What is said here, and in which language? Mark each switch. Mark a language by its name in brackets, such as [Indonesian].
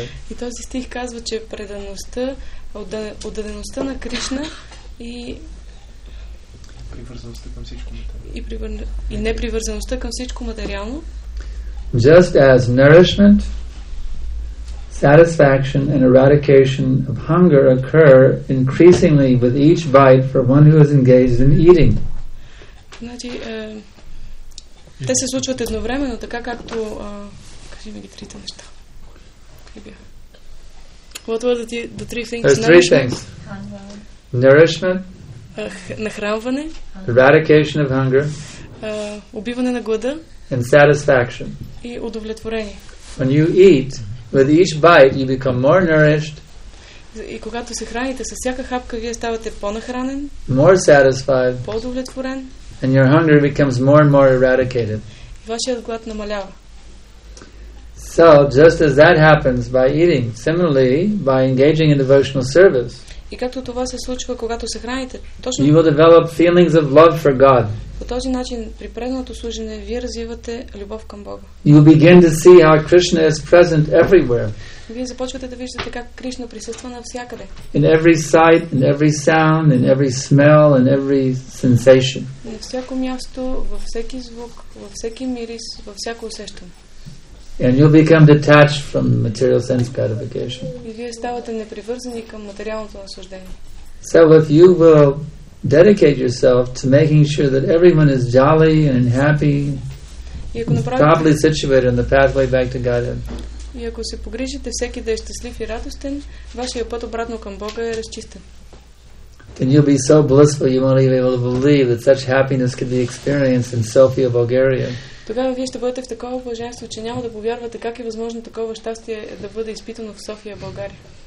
[Bulgarian] И този стих казва, че предаността, отдадеността на Кришна и привързаността към всичко материално. И непривързаността към всичко материално. [English] Just as nourishment, satisfaction and eradication of hunger occur increasingly with each bite for one who is engaged in eating. [Bulgarian] Значи, те се случват едновременно, така както кажи ми ги трите неща. [English] What were the three things? There's three things. Nourishment. [Bulgarian] Нахранване. [English] Eradication of hunger. [Bulgarian] Убиване на глада. [English] And satisfaction. [Bulgarian] И удовлетворение. [English] When you eat, with each bite, you become more nourished. [Bulgarian] И когато се храните с всяка хапка, вие ставате по-нахранен. [English] More satisfied. [Bulgarian] По-удовлетворен. [English] And your hunger becomes more and more eradicated. [Bulgarian] И вашият глад намалява. [English] So, just as that happens by eating, similarly, by engaging in devotional service, [Bulgarian] и както това се случва, когато се храните, точно, [English] you will develop feelings of love for God. [Bulgarian] По този начин, при преданото служене, вие развивате любов към Бога. [English] You will begin to see how Krishna is present everywhere. [Bulgarian] Вие започвате да виждате как Кришна присъства навсякъде. [English] In every sight, in every sound, in every smell, in every sensation. [Bulgarian] На всяко място, във всеки звук, във всеки мирис, във всяко усещане. [English] And you'll become detached from material sense gratification. [Bulgarian] И вие ставате непривързани към материалното наслаждение. [English] So if you will dedicate yourself to making sure that everyone is jolly and happy, properly situated on the pathway back to Godhead. [Bulgarian] И ако се погрижите всеки да е щастлив и радостен, вашият път обратно към Бога е разчистен. [English] Then you'll be so blissful you won't even be able to believe that such happiness could be experienced in Sofia, Bulgaria. [Bulgarian] Тогава вие ще бъдете в такова блаженство, че няма да повярвате как е възможно такова щастие да бъде изпитано в София, България.